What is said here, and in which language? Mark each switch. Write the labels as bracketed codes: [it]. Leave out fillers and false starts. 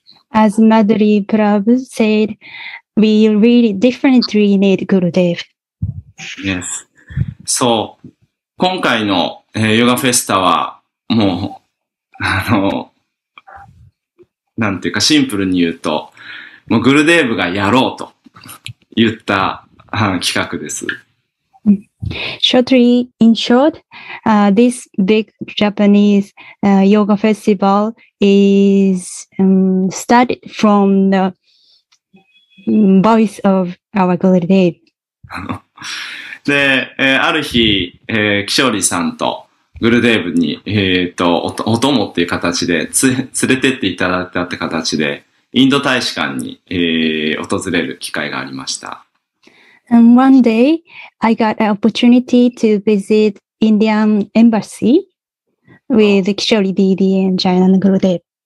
[en] As Madhuri Prabhu said, we really definitely need Guru Dev. Yes. [ja] So, 今回の、ヨガフェスタは、もう、なんていうかシンプルに言うと、もうグールデーブがやろうと言った企画です。 [en] Shortly, in short, this big Japanese yoga festival is started from the voice of our Gurudev. [ja] で、ある日、キショーリさんとグルデーブに、お供っていう形で連れてっていただいたって形で、インド大使館に、訪れる機会がありました。 [en] And one day, I got an opportunity to visit Indian embassy with Kishori DD and Jayanand Gurudev.